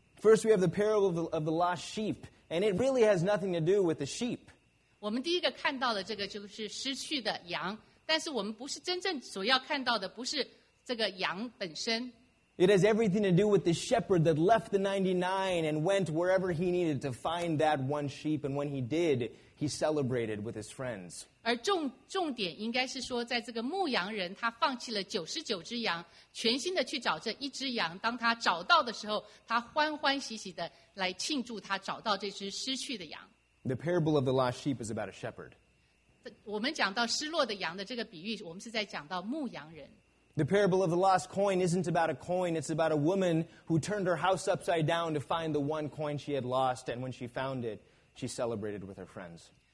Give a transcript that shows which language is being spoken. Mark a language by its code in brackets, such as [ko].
[en] First, we have the parable of the lost sheep, and it really has nothing to do with the sheep. [zh] 我们第一个看到的这个就是失去的羊，但是我们不是真正所要看到的不是这个羊本身。 [en] It has everything to do with the shepherd that left the 99 and went wherever he needed to find that one sheep. And when he did, he celebrated with his friends. [zh] 而重点应该是说在这个牧羊人他放弃了99只羊，全心的去找这一只羊。当他找到的时候，他欢欢喜喜的来庆祝他找到这只失去的羊。 [en] The parable of the lost sheep is about a shepherd. [zh] 我们讲到失落的羊的这个比喻，我们是在讲到牧羊人。 [en] The parable of the lost coin isn't about a coin, it's about a woman who turned her house upside down to find the one coin she had lost, and when she found it, she celebrated with her friends.